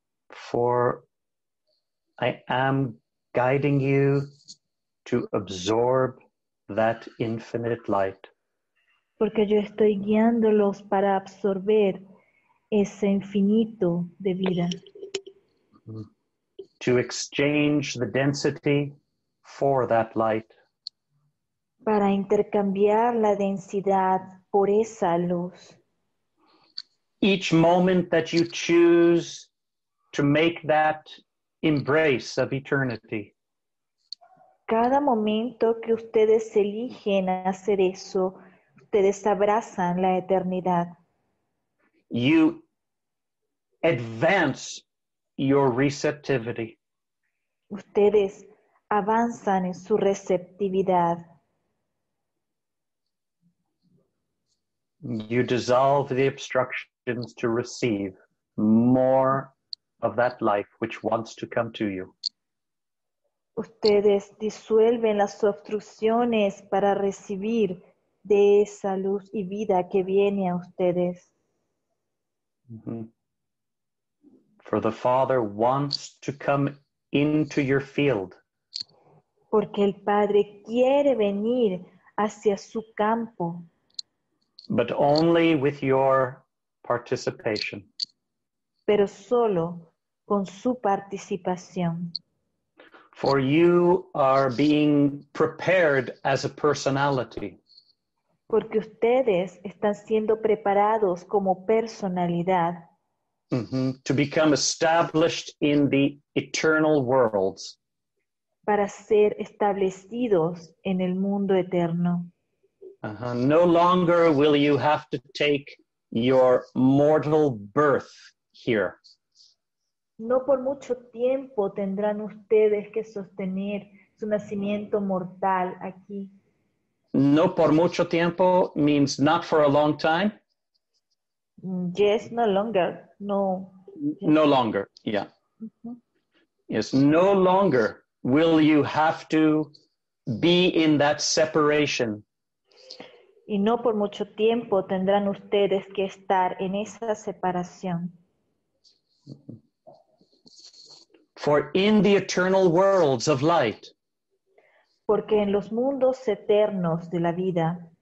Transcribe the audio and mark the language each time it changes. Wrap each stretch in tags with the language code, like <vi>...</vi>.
<en>For I am guiding you to absorb that infinite light.</en> <es>Porque yo estoy guiándolos para absorber ese infinito de vida.</es> <en>to exchange the density for that light.</en> <es>Para intercambiar la densidad por esa luz.</es> <en>Each moment that you choose to make that embrace of eternity.</en> <es>Cada momento que ustedes eligen hacer eso, ustedes abrazan la eternidad.</es> <en>You advance your receptivity.</en> <es>Ustedes avanzan en su receptividad.</es> <en>You dissolve the obstructions to receive more of that life which wants to come to you.</en> <es>Ustedes disuelven las obstrucciones para recibir de esa luz y vida que viene a ustedes. Mm-hmm.</es> <en>For the Father wants to come into your field.</en> <es>Porque el Padre quiere venir hacia su campo.</es> <en>But only with your participation.</en> <es>Pero solo con su participación.</es> <en>For you are being prepared as a personality.</en> <es>Porque ustedes están siendo preparados como personalidad.</es> <en>Mm-hmm. To become established in the eternal worlds.</en> <es>Para ser establecidos en el mundo eterno. Uh-huh.</es> <en>No longer will you have to take your mortal birth here.</en> <es>No por mucho tiempo tendrán ustedes que sostener su nacimiento mortal aquí. No por mucho tiempo</es> <en>means not for a long time. Yes, no longer. No. No longer, yeah. Mm-hmm. Yes, no longer will you have to be in that separation.</en> <es>Y no por mucho tiempo tendrán ustedes que estar en esa separación.</es> <en>For in the eternal worlds of light.</en> <es>Porque en los mundos eternos de la vida.</es>